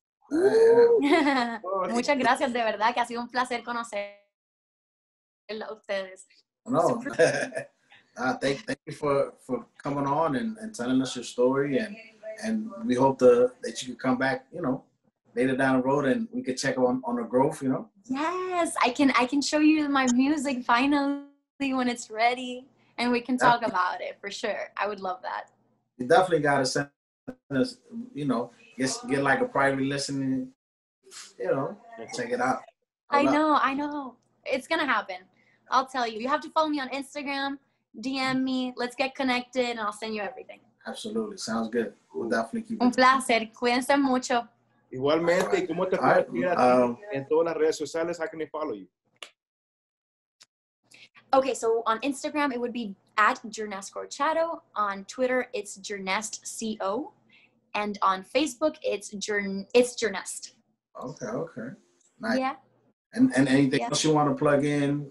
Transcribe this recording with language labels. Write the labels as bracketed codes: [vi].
[es] Muchas gracias, de verdad, que ha sido un placer conocer a ustedes. No. [en] Thank you for coming on and telling us your story, and we hope that you can come back, you know, later down the road, and we could check on the growth, you know. Yes, I can show you my music finally when it's ready, and we can talk about it for sure. I would love that. You definitely gotta send us, you know, get like a private listening, you know, and check it out. I know. It's gonna happen. I'll tell you. You have to follow me on Instagram. DM me. Let's get connected, and I'll send you everything. Absolutely. Sounds good. We'll definitely keep. [es] Un placer. Cuídense mucho. Igualmente. Right. ¿Cómo te puedes en todas las redes sociales? [en] How can they follow you? Okay, so on Instagram it would be at Jearnest Corchado. On Twitter it's Jearnest Co. And on Facebook it's Jearnest. Okay. Nice. Yeah. And anything else you want to plug in?